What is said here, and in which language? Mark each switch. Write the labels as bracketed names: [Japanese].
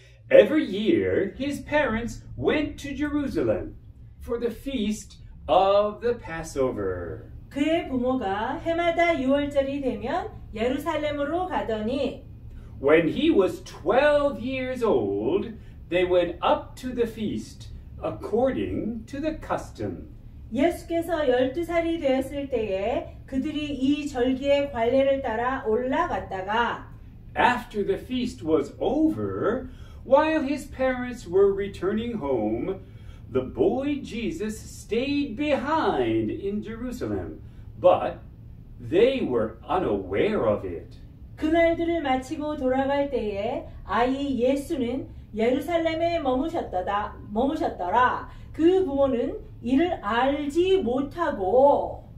[English] Every year, his parents went to Jerusalem for the feast of the Passover. [Korean] 그의 부모가 해마다 유월절이 되면 예루살렘으로 가더니 [English] When he was 12 years old, they went up to the feast according to the custom. [Korean] 예수께서 12살이 되었을 때에 그들이 이 절기의 관례를 따라 올라갔다가 [English] After the feast was over, while his parents were returning home, The boy Jesus stayed behind in Jerusalem, but they were unaware of it. [Korean] 그날들을 마치고 돌아갈 때에 아이 예수는 예루살렘에 머무셨더라. 그 부모는 이를 알지 못하고.